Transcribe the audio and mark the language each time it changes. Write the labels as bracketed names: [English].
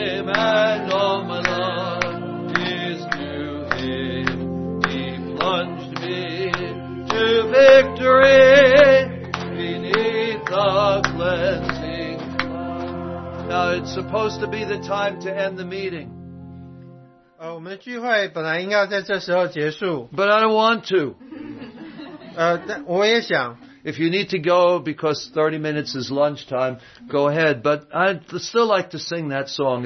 [English] And all my love is to him. He plunged me to victory beneath the blessing. Now it's supposed to be the time to end the meeting. [Chinese] Oh, 我们的聚会本来应该在这时候结束。 [English] But I don't want to. [Chinese] 我也想。 [English] If you need to go because 30 minutes is lunchtime, go ahead. But I'd still like to sing that song.